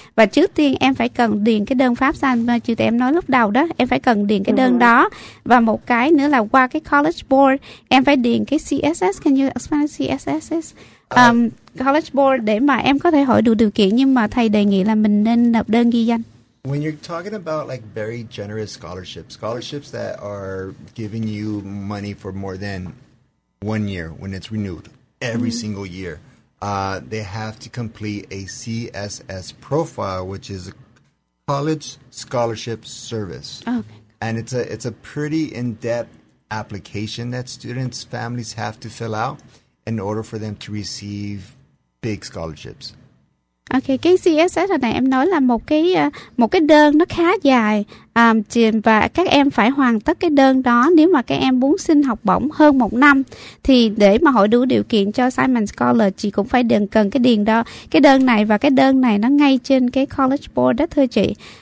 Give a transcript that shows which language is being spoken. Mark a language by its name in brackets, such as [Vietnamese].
[Vietnamese] Và trước tiên em phải cần điền cái đơn pháp sanh mà chị em nói lúc đầu đó, em phải cần điền cái đơn đó. Và một cái nữa là qua cái College Board, em phải điền cái CSS, can you explain CSS? College Board để mà em có thể hội đủ điều kiện, nhưng mà thầy đề nghị là mình nên nộp đơn ghi danh. [English] When you're talking about like very generous scholarships that are giving you money for more than 1 year when it's renewed every single year, they have to complete a CSS profile, which is a college scholarship service. Okay. And it's a pretty in-depth application that students' families have to fill out in order for them to receive big scholarships. [Vietnamese] OK, cái CSS này em nói là một cái đơn nó khá dài, và các em phải hoàn tất cái đơn đó nếu mà các em muốn xin học bổng hơn một năm, thì để mà hội đủ điều kiện cho Simon Scholar, chị cũng phải đừng cần cái điền đó, cái đơn này, và cái đơn này nó ngay trên cái College Board đó thưa chị.